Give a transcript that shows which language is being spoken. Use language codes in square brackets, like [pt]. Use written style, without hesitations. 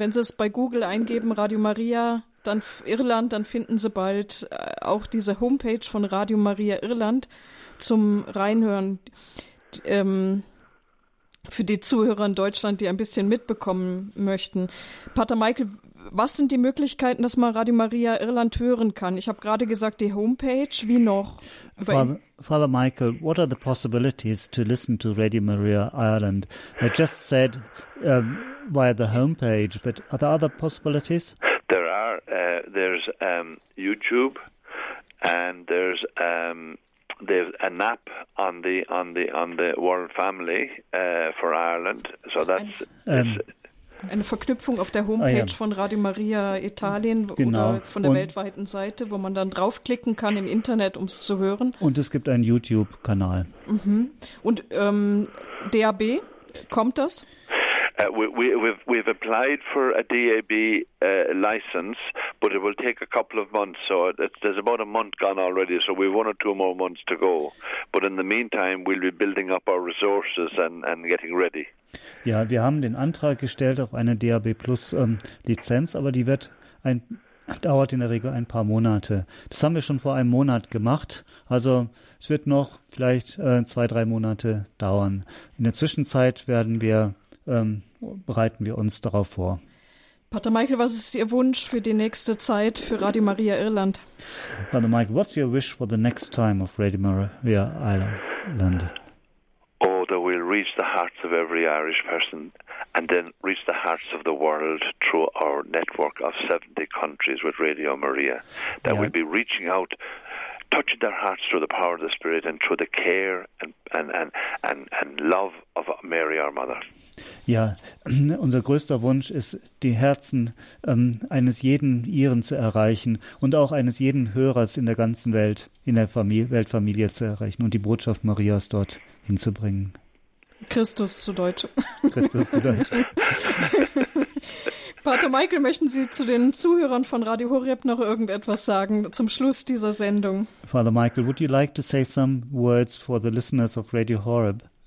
[de] Wenn Sie es bei Google eingeben, Radio Maria, dann Irland, dann finden Sie bald auch diese Homepage von Radio Maria Irland zum Reinhören. Für die Zuhörer in Deutschland, die ein bisschen mitbekommen möchten. Pater Michael, was sind die Möglichkeiten, dass man Radio Maria Irland hören kann? Ich habe gerade gesagt, die Homepage, wie noch? [en] Father Michael, what are the possibilities to listen to Radio Maria Ireland? I just said via the homepage, but are there other possibilities? There are. There's YouTube, and there's an app on the World Family for Ireland. So that's [de] eine Verknüpfung auf der Homepage von Radio Maria Italien oder von der weltweiten Seite, wo man dann draufklicken kann im Internet, um es zu hören. Und es gibt einen YouTube-Kanal. Mhm. Und DAB, kommt das? [en] We've applied for a DAB license, but it will take a couple of months. So there's about a month gone already, so we've one or two more months to go. But in the meantime, we'll be building up our resources and getting ready. [de] Ja, wir haben den Antrag gestellt auf eine DAB Plus Lizenz, aber die dauert in der Regel ein paar Monate. Das haben wir schon vor einem Monat gemacht. Also es wird noch vielleicht 2-3 Monate dauern. In der Zwischenzeit bereiten wir uns darauf vor. Pater Michael, was ist Ihr Wunsch für die nächste Zeit für Radio Maria Irland? [en] Pater Michael, what's your wish for the next time of Radio Maria Irland? Oh, that we'll reach the hearts of every Irish person and then reach the hearts of the world through our network of 70 countries with Radio Maria. That we'll be reaching out, touching their hearts through the power of the Spirit and through the care and love of Mary, our mother. [de] Ja, unser größter Wunsch ist, die Herzen eines jeden Iren zu erreichen und auch eines jeden Hörers in der ganzen Welt, in der Weltfamilie zu erreichen und die Botschaft Marias dort hinzubringen. Christus zu Deutsch. Christus zu Deutsch. Pater Michael, möchten Sie zu den Zuhörern von Radio Horeb noch irgendetwas sagen zum Schluss dieser Sendung? [en] Father Michael, would you like to say some words for the listeners of Radio Horeb?